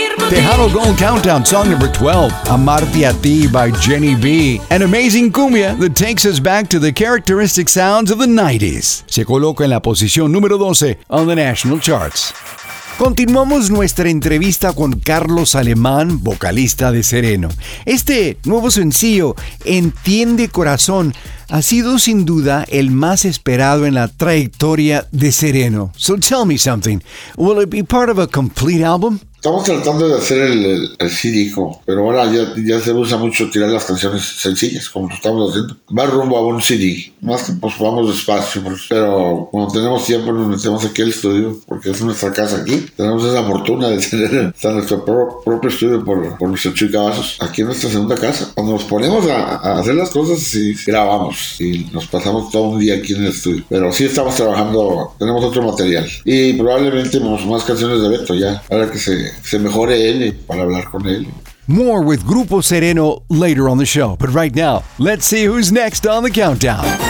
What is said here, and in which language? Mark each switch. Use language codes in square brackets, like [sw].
[en] Tejano Gold Countdown, song number 12, Amarte a Ti by Jenny B. An amazing cumbia that takes us back to the characteristic sounds of the 90s. [es] Se coloca en la posición número 12 [en] on the national charts. [es] Continuamos nuestra entrevista con Carlos Alemán, vocalista de Sereno. Este nuevo sencillo, Entiende Corazón, ha sido sin duda el más esperado en la trayectoria de Sereno. [en] So tell me something, will it be part of a complete album? [es] Estamos tratando de hacer el CD, hijo. Pero ahora ya se usa mucho tirar las canciones sencillas, como lo estamos haciendo. Va rumbo a un CD. Más que pues vamos despacio, pero cuando tenemos tiempo nos metemos aquí al estudio, porque es nuestra casa aquí. Tenemos esa fortuna de tener hasta nuestro propio estudio por nuestro Chuy Cavazos. Aquí en nuestra segunda casa. Cuando nos ponemos a hacer las cosas, sí, grabamos. Y nos pasamos todo un día aquí en el estudio. Pero sí estamos trabajando, tenemos otro material. Y probablemente más canciones de Beto ya, para que se mejore él para hablar con él. [en] More with Grupo Sereno later on the show, but right now, let's see who's next on the countdown.